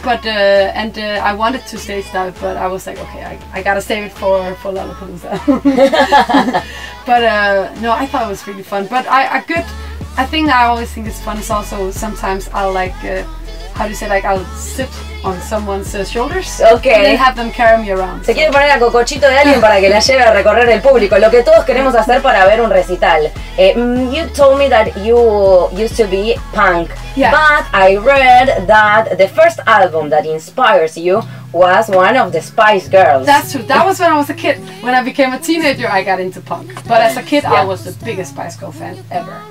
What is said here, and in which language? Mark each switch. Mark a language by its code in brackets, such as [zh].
[en] But I wanted to stay stuff, but I was like, okay, I gotta save it for Lollapalooza. But no, I thought it was really fun. But I think I always think it's fun. It's also sometimes I'll like how do you say, like, I'll sit on someone's shoulders. Okay. And they have them carry me around. [es] Se quiere poner a cocochito de alguien para que la lleve a recorrer el público, lo que todos queremos hacer para ver un recital. [en] You told me that you used to be punk. Yeah. But I read that the first album that inspires you was one of the Spice Girls. That's true. That was when I was a kid. When I became a teenager, I got into punk. But as a kid, yeah, I was the biggest Spice Girl fan ever.